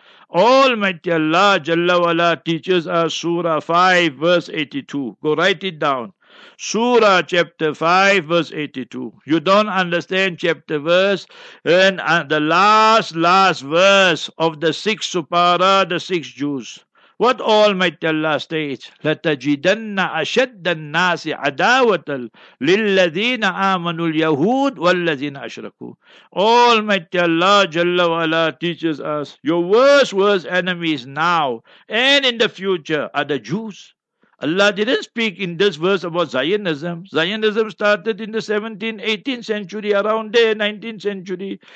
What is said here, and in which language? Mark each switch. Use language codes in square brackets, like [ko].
[en] Almighty Allah Jalla Wala teaches us Surah 5, verse 82. Go write it down. Surah chapter 5, verse 82. You don't understand chapter verse, and the last verse of the 6 Supara, the 6 Jews. What Almighty Allah states, [ar] لَتَجِدَنَّ أَشَدَّ النَّاسِ عَدَاوَةً لِلَّذِينَ آمَنُوا الْيَهُودِ وَالَّذِينَ أَشْرَكُوا. [en] Almighty Allah Jalla wa Ala teaches us, your worst enemies now and in the future are the Jews. Allah didn't speak in this verse about Zionism. Zionism started in the 17th, 18th century, around there, 19th century.